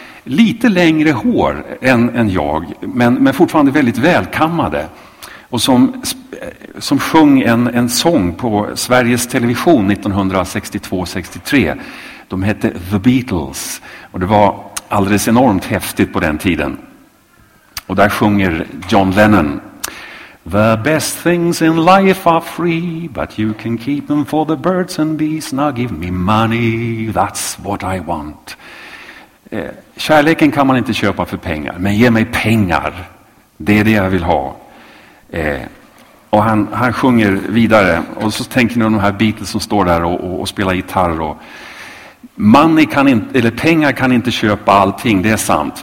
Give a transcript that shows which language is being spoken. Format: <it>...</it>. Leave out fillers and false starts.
<sv>Lite längre hår än jag, men fortfarande väldigt välkammade. Och som sjöng en sång på Sveriges Television 1962-63. De hette The Beatles. Och det var alldeles enormt häftigt på den tiden. Och där sjunger John Lennon.</sv> <en>The best things in life are free, but you can keep them for the birds and bees. Now give me money, that's what I want.</en> <sv>Kärleken kan man inte köpa för pengar, men ge mig pengar. Det är det jag vill ha. Och han sjunger vidare. Och så tänker ni om de här Beatles som står där och spelar gitarr. Och money kan inte, eller pengar kan inte köpa allting, det är sant.</sv>